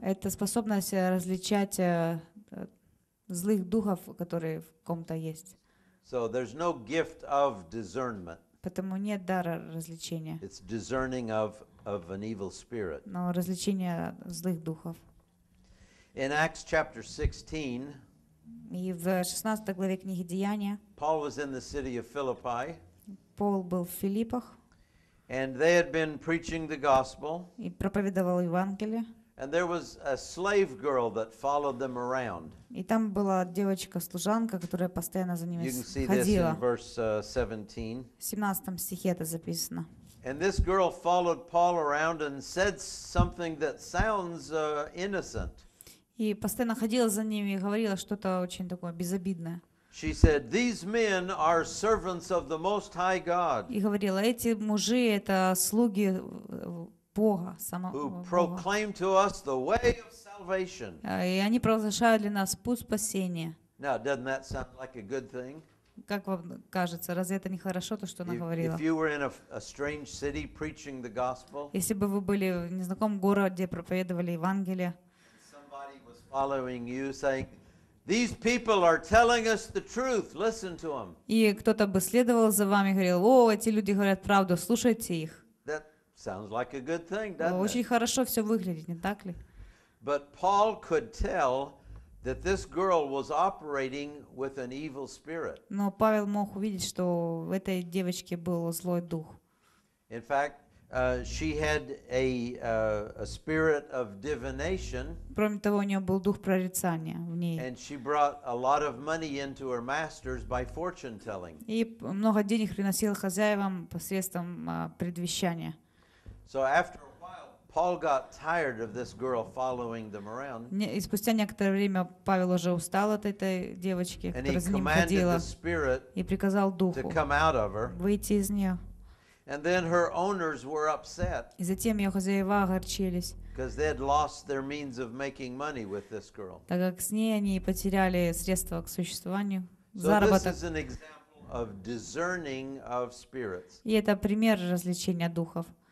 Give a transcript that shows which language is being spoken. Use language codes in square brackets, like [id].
[ru] Это способность различать злых духов, которые в ком-то есть. [en] So there's no gift of discernment. [ru] Поэтому нет дара различения. [en] It's discerning of an evil spirit. [ru] Но различение злых духов. [en] In Acts chapter 16. [ru] И в 16 главе книги Деяния. [en] Paul was in the city of Philippi. [ru] Пол был в Филиппах. [en] And they had been preaching the gospel. [ru] И проповедовал Евангелие. [en] And there was a slave girl that followed them around. [ru] И там была девочка-служанка, которая постоянно за ними ходила. [en] You can see this in verse 17. [ru] В 17 стихе это записано. [en] And this girl followed Paul around and said something that sounds innocent. [ru] И постоянно ходила за ними и говорила что-то очень такое безобидное. [en] She said, "These men are servants of the Most High God." [ru] И говорила, эти мужи это слуги Бога, самого [en] who proclaim to us the way of salvation. [ru] И они провозглашают для нас путь спасения. [en] Now, doesn't that sound like a good thing? [ru] Как вам кажется, разве это не хорошо, то, что она говорила? [en] If you were in a strange city preaching the gospel, [ru] если бы вы были в незнакомом городе, проповедовали Евангелие, [en] somebody was following you, saying, "These people are telling us the truth. Listen to them." [ru] И кто-то бы следовал за вами и говорил, "О, эти люди говорят правду, слушайте их." [en] Sounds like a good thing, doesn't it? [ru] Очень хорошо все выглядит, не так ли? [en] But Paul could tell that this girl was operating with an evil spirit. [ru] Но Павел мог увидеть, что в этой девочке был злой дух. [en] In fact, she had a spirit of divination. [ru] Кроме того, у нее был дух прорицания в ней. [en] And she brought a lot of money into her masters by fortune telling. [ru] И много денег приносила хозяевам посредством предвещания. [en] So after a while, Paul got tired of this girl following them around. [ru] И спустя некоторое время Павел уже устал от этой девочки, которая за ним ходила. И приказал духу выйти из нее. [en] And then her owners were upset. [ru] И затем ее хозяева огорчились. [en] Because they had lost their means of making money with this girl. [ru] Так как с ней они потеряли средства к существованию, заработок. [en] So this is an example of discerning of spirits. [ru] И это пример различения духов.